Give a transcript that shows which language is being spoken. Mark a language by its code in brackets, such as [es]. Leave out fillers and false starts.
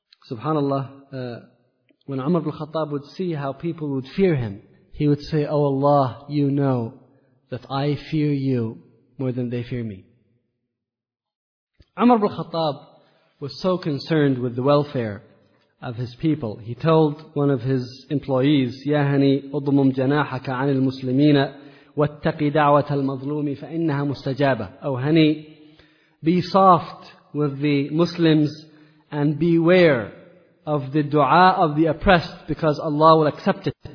[en] Subhanallah, when Umar ibn Khattab would see how people would fear him, he would say, oh Allah, you know that I fear you more than they fear me. Umar ibn Khattab was so concerned with the welfare of his people. He told one of his employees, [ar] يَا هَنِي أُضْمُمْ جَنَاحَكَ عَنِ الْمُسْلِمِينَ وَاتَّقِ دَعْوَةَ الْمَظْلُومِ فَإِنَّهَا مُسْتَجَابَةَ. [en] Oh, Hani, be soft with the Muslims and beware of the dua of the oppressed because Allah will accept it.